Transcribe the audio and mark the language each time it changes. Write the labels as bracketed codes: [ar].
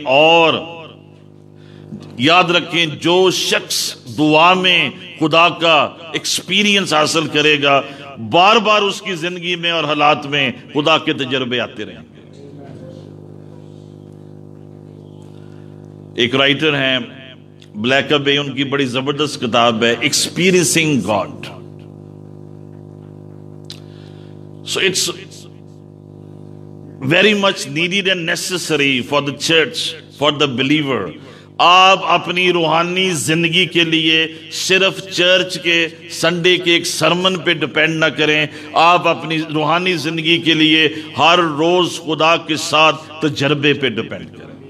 [ur] اور یاد رکھیں، جو شخص دعا میں خدا کا ایکسپیرینس حاصل کرے گا، بار بار اس کی زندگی میں اور حالات میں خدا کے تجربے آتے رہیں گے. ایک رائٹر ہیں بلیک ابے، ان کی بڑی زبردست کتاب ہے experiencing God. [en] So it's very much needed and necessary for the church, for the believer. [ur] آپ اپنی روحانی زندگی کے لیے صرف چرچ کے سنڈے کے ایک سرمن پہ ڈپینڈ نہ کریں, آپ اپنی روحانی زندگی کے لیے ہر روز خدا کے ساتھ تجربے پہ ڈپینڈ کریں.